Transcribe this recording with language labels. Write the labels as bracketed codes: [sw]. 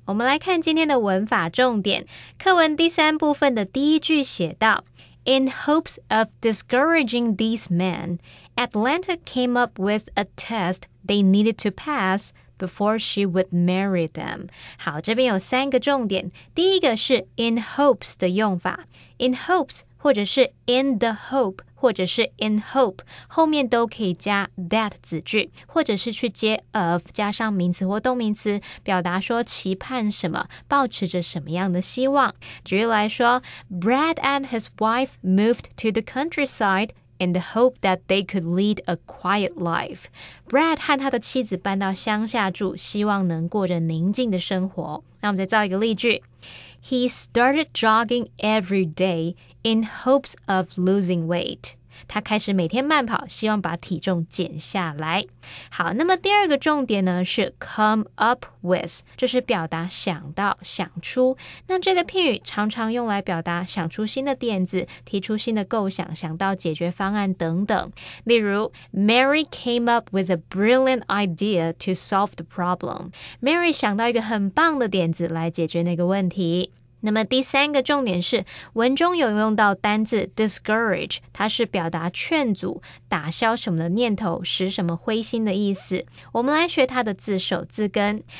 [zh] 我们来看今天的文法重点。课文第三部分的第一句写到 [en] In hopes of discouraging these men, Atlanta came up with a test they needed to pass before she would marry them. [zh] 好，这边有三个重点。第一个是 in hopes 的用法， in hopes 或者是 in the hope或者是 in hope， 后面都可以加 that 子句，或者是去接 of 加上名词或动名词，表达说期盼什么，抱持着什么样的希望。举例来说， [en] Brad and his wife moved to the countryside and hope that they could lead a quiet life. [zh] Brad 和他的妻子搬到乡下住，希望能过着宁静的生活。那我们再造一个例句。 [en] He started jogging every day in hopes of losing weight. [zh] 他开始每天慢跑，希望把体重减下来。好，那么第二个重点呢，是 come up with， 就是表达想到、想出。那这个片语常常用来表达想出新的点子，提出新的构想，想到解决方案等等。例如 [en] ,Mary came up with a brilliant idea to solve the problem. [zh] Mary 想到一个很棒的点子来解决那个问题。那么第三个重点是，文中有用到单字 discourage， 它是表达劝阻、打消什么的念头、使什么灰心的意思。我们来学它的字首字根。